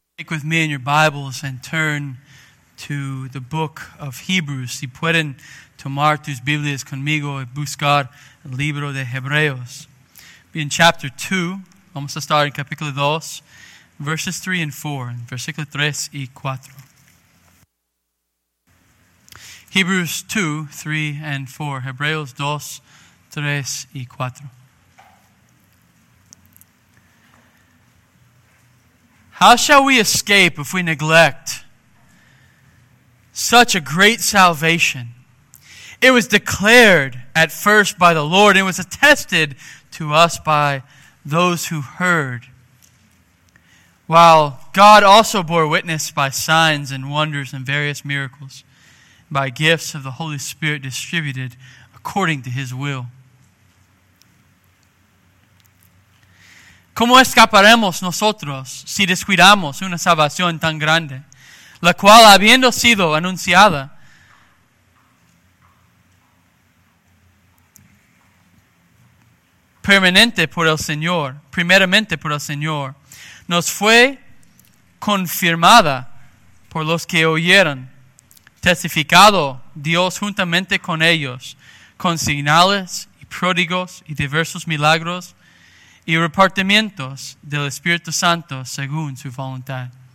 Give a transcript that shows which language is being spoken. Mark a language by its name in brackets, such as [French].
[English] with me in your Bibles and turn to the book of Hebrews. [Spanish] Si pueden tomar tus Biblias conmigo y buscar el libro de Hebreos. [English] Be in chapter 2, [Spanish] vamos a estar en capítulo 2, [English] verses 3 and 4, [Spanish] en versículo 3 y 4. [English] Hebrews 2, 3 and 4, [Spanish] Hebreos 2, 3 y 4. [English] How shall we escape if we neglect such a great salvation? It was declared at first by the Lord, and it was attested to us by those who heard. While God also bore witness by signs and wonders and various miracles, by gifts of the Holy Spirit distributed according to His will. [Spanish] ¿Cómo escaparemos nosotros si descuidamos una salvación tan grande, la cual habiendo sido anunciada permanente por el Señor, primeramente por el Señor, nos fue confirmada por los que oyeron, testificado Dios juntamente con ellos, con señales y prodigios y diversos milagros y repartimientos del Espíritu Santo según su voluntad?